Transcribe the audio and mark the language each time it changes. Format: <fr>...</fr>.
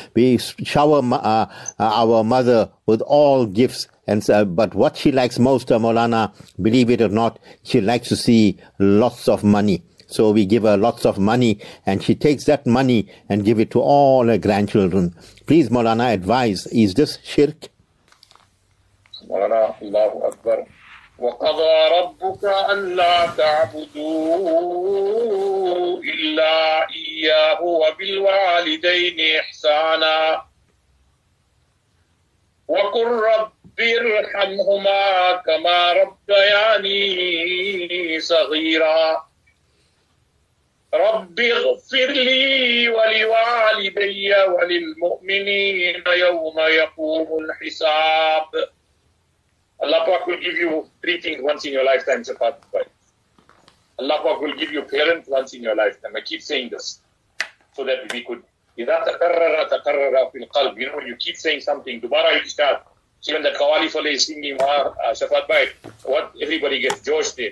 <en>We shower our mother with all gifts. And so, but what she likes most, Maulana, believe it or not, she likes to see lots of money. So we give her lots of money, and she takes that money and give it to all her grandchildren. Please, Maulana, advise, is this shirk?</en> <ar>مولانا الله أكبر وقضى ربك ألا تعبدوا إلا إياه وبالوالدين إحسانا وقل رب ارحمهما كما ربياني صغيرا رب اغفر لي ولوالدي وللمؤمنين يوم يقوم الحساب.</ar> <en>Allah Pak will give you three things once in your lifetime, Shaafat. Allah Pak will give you parents once in your lifetime. I keep saying this so that we could.</en> <ar>إِذَا تَكَرَّرَ تَكَرَّرَ فِي الْقَلْبِ.</ar> <en>You know, you keep saying something, dubara you start. See when the Kawali Fale is singing, Shaafat Bhai, what everybody gets joshed there.</en>